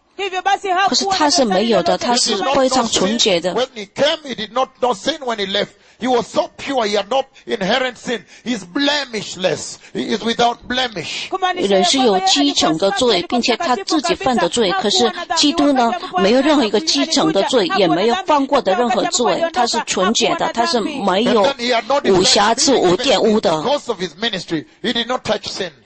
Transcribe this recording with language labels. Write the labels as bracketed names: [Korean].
[Chinese] 可是他是没有的, 他是非常纯洁的。 [English] When he came, he did not know sin when he left. He was so pure, he had not inherent sin. He is blemishless. He is without blemish. [Chinese] 人是有积成的罪, 并且他自己犯的罪, 可是基督呢, 没有任何一个积成的罪, 也没有犯过的任何罪, 他是纯洁的, 他是没有无瑕疵, 无玷污的。 [English] Because of his ministry, he did not touch sin.